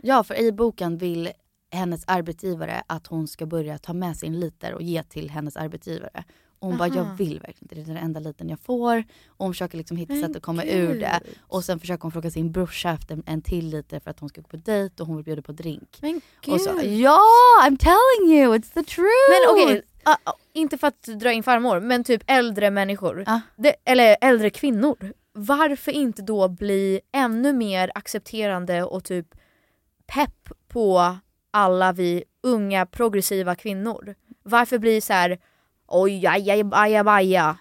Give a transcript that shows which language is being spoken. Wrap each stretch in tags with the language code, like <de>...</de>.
<sv>Ja, för i boken vill hennes arbetsgivare att hon ska börja ta med sin liter och ge till hennes arbetsgivare. Och hon bara, jag vill verkligen inte. Det är den enda liten jag får. Och hon försöker liksom hitta sätt att komma ur det. Och sen försöker hon fråga sin brorsa efter en till liter för att hon ska gå på dejt och hon vill bjuda på drink. Men gud. Och så, ja,</sv> <en>I'm telling you, it's the truth!</en> <sv>Men okej. Inte för att dra in farmor, men typ äldre människor, eller äldre kvinnor, varför inte då bli ännu mer accepterande och typ pepp på alla vi unga progressiva kvinnor? Varför blir så här, oj, aja.</sv>